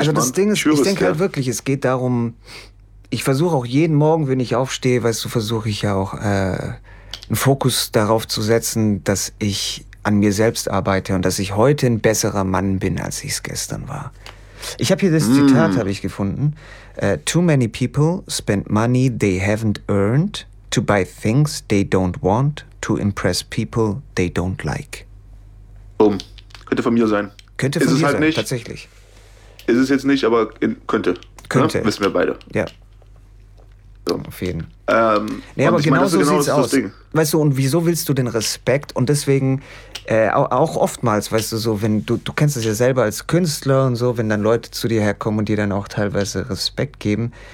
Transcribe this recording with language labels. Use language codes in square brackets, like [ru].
[de] Also das Ding ist, ich denke halt wirklich, es geht darum, ich versuche auch jeden Morgen, wenn ich aufstehe, weißt du, versuche ich ja auch einen Fokus darauf zu setzen, dass ich an mir selbst arbeite und dass ich heute ein besserer Mann bin, als ich es gestern war. Ich habe hier das Zitat, habe ich gefunden. [en] Too many people spend money they haven't earned to buy things they don't want to impress people they don't like. [de] Boom. Könnte von mir sein. Könnte von mir halt sein, nicht, tatsächlich. Ist es jetzt nicht, aber könnte. Könnte. Ja, wissen wir beide. Ja. So. Auf jeden. Nee, aber genau so sieht es aus. Weißt du, und wieso willst du den Respekt? Und deswegen... auch oftmals, weißt du, so, wenn du kennst es ja selber als Künstler und so, wenn dann Leute zu dir herkommen und dir dann auch teilweise Respekt geben.